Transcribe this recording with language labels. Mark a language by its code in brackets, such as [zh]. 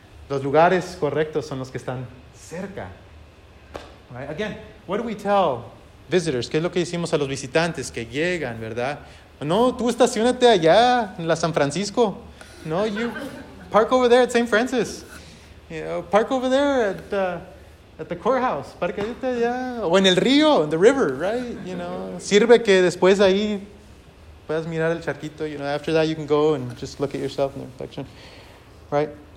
[es] Los lugares correctos son los que están cerca. [en] Right? Again, what do we tell visitors? [es] ¿Qué es lo que decimos a los visitantes que llegan, verdad? No, tú estacionate allá en la San Francisco. [en] No, you park over there at St. Francis. You know, park over there at the courthouse, [es] parquete allá, o en el río, [en] in the river, right? You know, [es] sirve que después ahí puedas mirar el charquito. [en] You know, after that you can go and just look at yourself in the reflection, right?